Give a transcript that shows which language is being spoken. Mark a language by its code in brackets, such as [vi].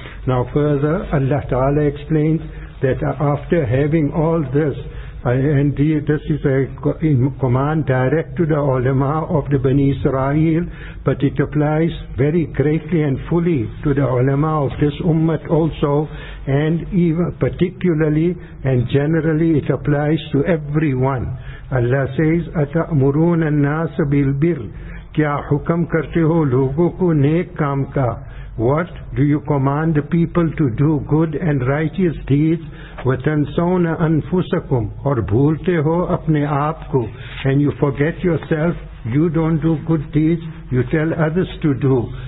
[en] Now further, Allah Ta'ala explains that after having all this, and this is a command direct to the ulama of the Bani Israel, but it applies very greatly and fully to the ulama of this ummah also, and even particularly and generally it applies to everyone. [ar] Allah says, أَتَأْمُرُونَ النَّاسَ بِالْبِرِّ. [ur] Kya hukam karte ho logo ko nek kaam ka? [en] What do you command the people to do good and righteous deeds? [ar] وَتَنْسَوْنَ أَنفُسَكُمْ. [ur] Or bhoolte ho apne aap ko. [en] And you forget yourself. You don't do good deeds. You tell others to do.